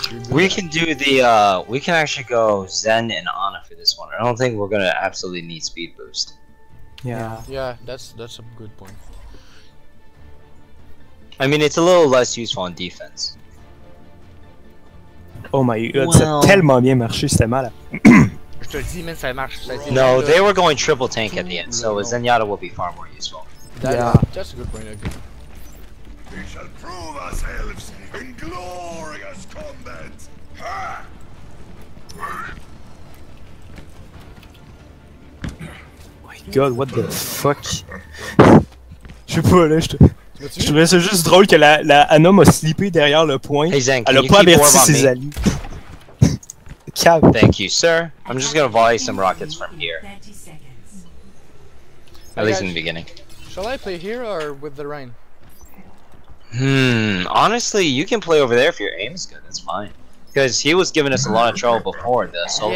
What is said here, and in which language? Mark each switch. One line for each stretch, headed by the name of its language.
English: We can do the we can actually go Zen and Ana for this one. I don't think we're gonna absolutely need speed boost. Yeah, that's a good point. I mean, it's a little less useful on defense. Oh my god, well...
French: ça a tellement bien marché, c'était mal. Je te dis, man, ça marche.
English: No, they were going triple tank at the end, so a Zenyatta will be far more useful. Yeah. That's a good point, okay. We shall prove ourselves in glorious combat! Ha! God, what the fuck?
French: Je sais pas, là, je trouvais ça juste drôle que la Anom a slippé derrière le point.
English: Hey Zen,
French: elle a pas averti ses alliés. Cap.
English: Thank you, sir. I'm just gonna volley some rockets from here. At least in the beginning. Shall I play here or with the rain? Honestly, you can play over there if your aim is good, that's fine. Because he was giving us a lot of trouble before, the soldier.